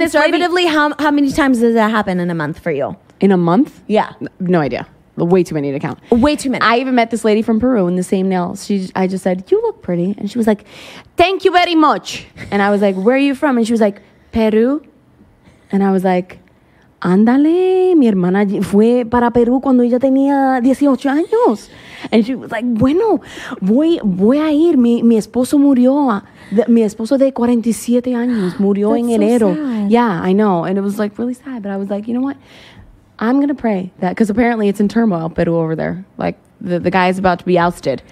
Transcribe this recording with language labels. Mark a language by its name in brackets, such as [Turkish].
[English] conservatively, this lady, how many times does that happen in a month for you? In a month? Yeah. No idea. Way too many to count. Way too many. I even met this lady from Peru in the same nail. I just said, you look pretty. And she was like, thank you very much. And I was like, where are you from? And she was like, Peru. And I was like, [Spanish] andale, mi hermana fue para Peru cuando ella tenía 18 años. [English] And she was like, [Spanish] bueno, voy a ir. Mi esposo murió. Mi esposo de 47 años murió [English] That's [Spanish] en [English] so [Spanish] enero. [English] Sad. Yeah, I know. And it was like really sad. But I was like, you know what? I'm going to pray that, because apparently it's in turmoil, Peru, over there. Like, the guy is about to be ousted.